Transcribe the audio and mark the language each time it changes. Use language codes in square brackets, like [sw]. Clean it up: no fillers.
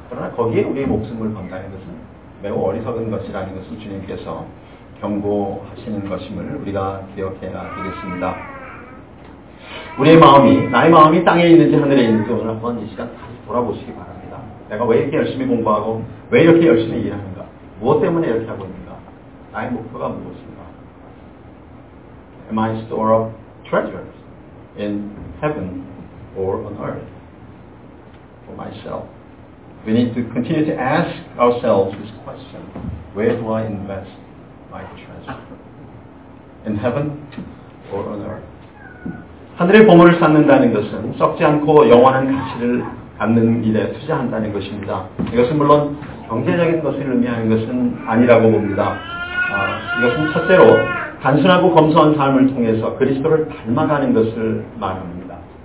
[ko] 그러나 거기에 우리의 목숨을 건다는 것은 매우 어리석은 것이라는 것을 주님께서 경고하시는 것임을 우리가 기억해야 되겠습니다. 우리의 마음이, 나의 마음이 땅에 있는지 하늘에 있는지 오늘 한번 이 시간 다시 돌아보시기 바랍니다. 내가 왜 이렇게 열심히 공부하고 왜 이렇게 열심히 일하는가? 무엇 때문에 이렇게 하고 있는가? 나의 목표가 무엇인가? [en] Am I store of treasures in heaven or on earth for myself? We need to continue to ask ourselves this question. Where do I invest my treasure? In heaven or on earth? [ko] 하늘의 보물을 쌓는다는 것은 썩지 않고 영원한 가치를 갖는 일에 투자한다는 것입니다. 이것은 물론 경제적인 것을 의미하는 것은 아니라고 봅니다. 이것은 첫째로 단순하고 검소한 삶을 통해서 그리스도를 닮아가는 것을 말합니다.